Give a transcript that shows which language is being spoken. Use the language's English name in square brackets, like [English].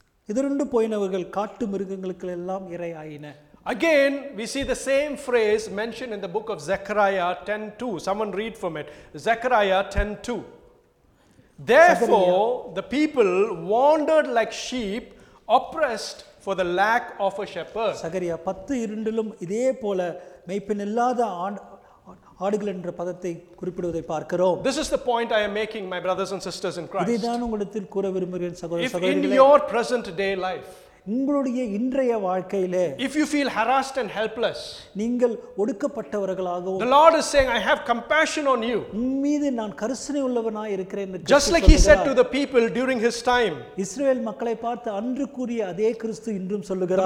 [Tamil] எதிரொண்டு போயினவர்கள் காட்டு மிருகங்களுக்கு எல்லாம் இரையாயின. [English] Again, we see the same phrase mentioned in the book of Zechariah 10:2. Someone read from it. Zechariah 10:2. Therefore, the people wandered like sheep, oppressed for the lack of a shepherd. [Tamil] சகரியா 10:2 இதே போல மேய்ப்பன் இல்லாத ஆடுகள் என்ற பதத்தை குறிப்பிடுவதை பார்க்கிறோம். [English] This is the point I am making, my brothers and sisters in Christ. [Tamil] இதுதான் உங்களுக்கு கூற விரும்புகிறேன் சகோதரர்களே. [English] In your present day life, [Tamil] உங்களுடைய இன்றைய வாழ்க்கையிலே, [English] if you feel harassed and helpless, [Tamil] நீங்கள் ஒடுக்கப்பட்டவர்களாகவும், [English] the Lord is saying, I have compassion on you. [Tamil] உம்மீது நான் கருணை உள்ளவனாய் இருக்கிறேன் என்று. [English] Just like he said to the people during his time, [Tamil] இஸ்ரவேல் மக்களை பார்த்து அன்று கூறிய அதே கிறிஸ்து இன்றும் சொல்லுகிறார்.